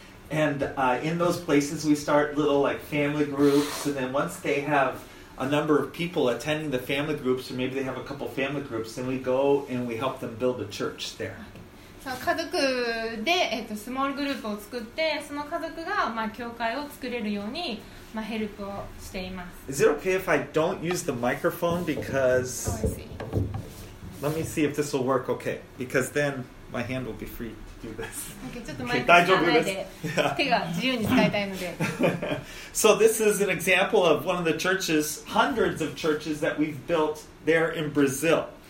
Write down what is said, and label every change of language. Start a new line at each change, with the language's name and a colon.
English: And in those places, we start little like family groups, and then once they have a number of people attending the family groups, or maybe they have a couple family groups, then we go and we help them build a church there.
Japanese: So, 家族で、スモールグループを作って、その家族が、教会を作れるように、ヘルプをしています。
English: Is it okay if I don't use the microphone? Because... Let me see if this will work okay. Because then my hand will be free to do this.
Japanese: Okay, ちょっとマイク使わないで、手が自由に使いたいので。
English: So this is an example of one of the churches, hundreds of churches that we've built there in Brazil.